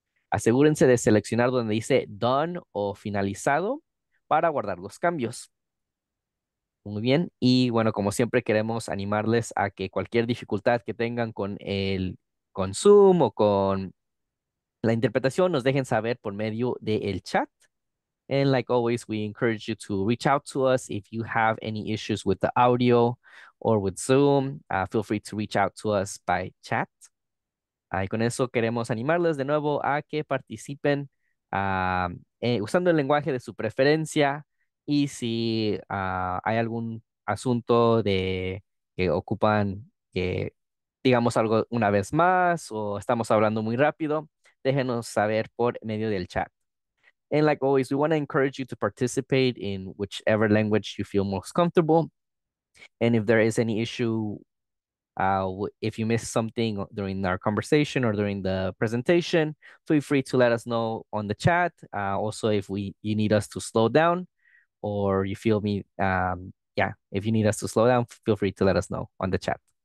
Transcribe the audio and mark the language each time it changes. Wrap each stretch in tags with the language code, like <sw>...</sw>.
<es>Asegúrense de seleccionar donde dice done o finalizado para guardar los cambios. Muy bien. Y bueno, como siempre, queremos animarles a que cualquier dificultad que tengan con el con Zoom o con la interpretación, nos dejen saber por medio del chat.</es> <en>And like always, we encourage you to reach out to us if you have any issues with the audio or with Zoom. Feel free to reach out to us by chat.</en> <es>Y con eso queremos animarles de nuevo a que participen usando el lenguaje de su preferencia. Y si hay algún asunto de que ocupan que digamos algo una vez más o estamos hablando muy rápido, déjenos saber por medio del chat.</es> <en>And like always, we want to encourage you to participate in whichever language you feel most comfortable. And if there is any issue, if you miss something during our conversation or during the presentation, feel free to let us know on the chat. Also, if you need us to slow down or you feel me, if you need us to slow down, feel free to let us know on the chat.</en>